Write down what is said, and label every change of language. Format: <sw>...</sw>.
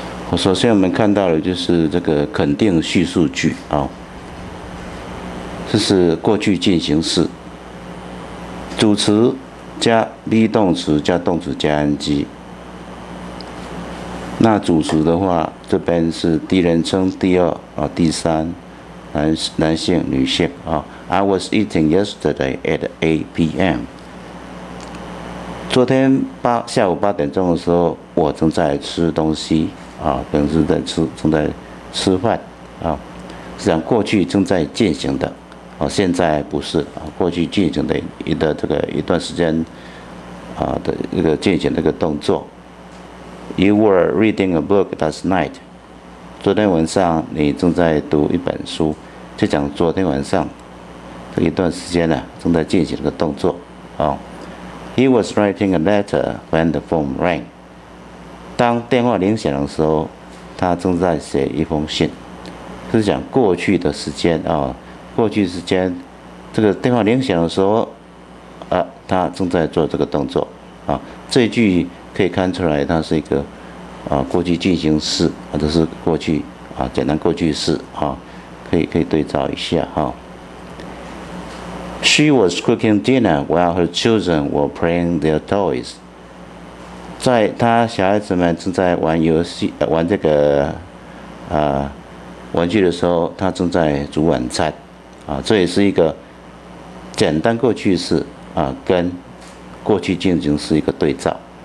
<zh>我首先我们看到的就是这个肯定叙述句啊，这是过去进行式，主词加 be 动词加动词加 ing。那主词的话，这边是第一人称、第二啊、第三，男性、女性啊。</zh> <en>I was eating yesterday at 8 p.m.</en> <zh>昨天下午八点钟的时候，我正在吃东西啊，正在吃饭啊，是讲过去正在进行的啊，现在不是啊，过去进行的一段时间啊的一个进行的一个动作。</zh> <en>You were reading a book last night。</en> <zh>昨天晚上你正在读一本书，就讲昨天晚上这一段时间呢正在进行的一个动作啊。</zh> <en>He was writing a letter when the phone rang.</en> <zh>当电话铃响的时候，他正在写一封信。是讲过去的时间啊，过去时间，这个电话铃响的时候，他正在做这个动作啊。这句可以看出来，它是一个过去进行式，或者是过去简单过去式啊，可以对照一下哈。</zh> <en>She was cooking dinner while her children were playing their toys.</en> <zh>在她小孩子们正在玩游戏，玩这个玩具的时候，她正在煮晚餐。这也是一个简单过去式跟过去进行式一个对照。</zh>